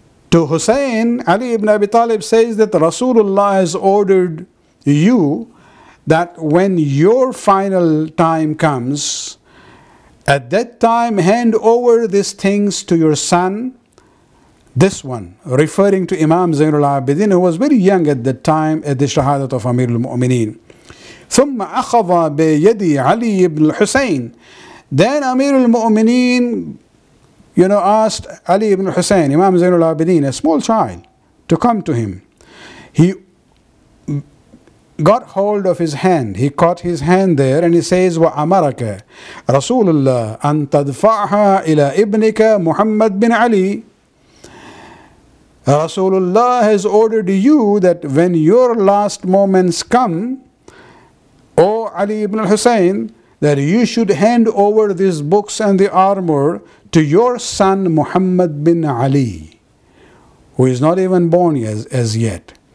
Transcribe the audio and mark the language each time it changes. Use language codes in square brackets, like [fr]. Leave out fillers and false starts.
[en] To Hussein, Ali ibn Abi Talib says that Rasulullah has ordered you that when your final time comes, at that time hand over these things to your son. This one, referring to Imam Zain al-Abidin, who was very young at the time at the Shahadat of Amir al-Mu'mineen. [ar] ثُمَّ أَخَضَ بِيَدِي عَلِي ibn al-Husayn. [en] Then Amir al-Mu'mineen, you know, asked Ali ibn al-Husayn, Imam Zain al-Abidin, a small child, to come to him. He got hold of his hand. He caught his hand there and he says, [ar] وَأَمَرَكَ رَسُولُ اللَّهِ أَن تَدْفَعْهَا إِلَىٰ إِبْنِكَ مُحَمَّد بِنْ عَلِي. [en] Rasulullah has ordered you that when your last moments come, O Ali ibn al-Husayn, that you should hand over these books and the armor to your son Muhammad bin Ali, who is not even born as yet.